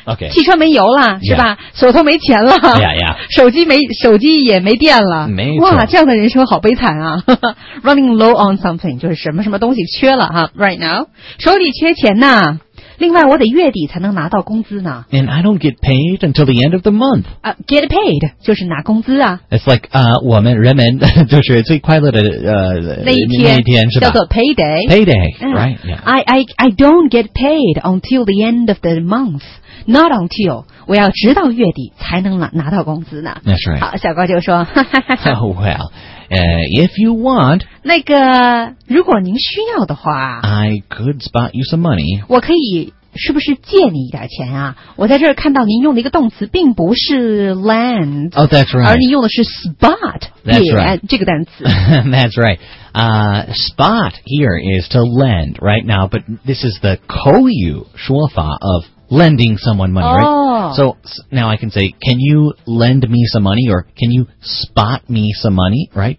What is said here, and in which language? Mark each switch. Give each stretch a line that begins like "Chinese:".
English: Okay.
Chinese: 汽车没油了，是吧？
English: Yeah.
Chinese: 手头没钱了。
English: Yeah, yeah.
Chinese: 手机也没电了。没错。哇，这样的人生好悲惨啊。
English: Running low on something, 就是什么什么东西缺了哈。 Right now.
Chinese: 手里缺钱呢。另外，我得月底才能拿到工资呢。
English: And I don't get paid until the end of the month.
Chinese: Get paid 就是拿工资啊。 It's like 我们人们就是最快乐的那一天是吧？叫做 payday。
English: Payday,、right? Yeah. I don't get paid until the end of the month.
Chinese: Not until 我要直到月底才能拿到工资呢。
English: That's right.
Chinese: 好，小高就说。
English: Oh, well. If you want,
Chinese: 那个如果您需要的话
English: ，I could spot you some money.
Chinese: 我可以是不是借你一点钱啊？我在这儿看到您用的一个动词并不是 lend.
English: Oh, that's right.
Chinese: 而你用的是 spot.
English: That's right.
Chinese: 这个单词。
English: That's right. Spot here is to lend right now, but this is the Koyu 说法 of lending someone money, right? So now I can say, can you lend me some money or can you spot me some money, right?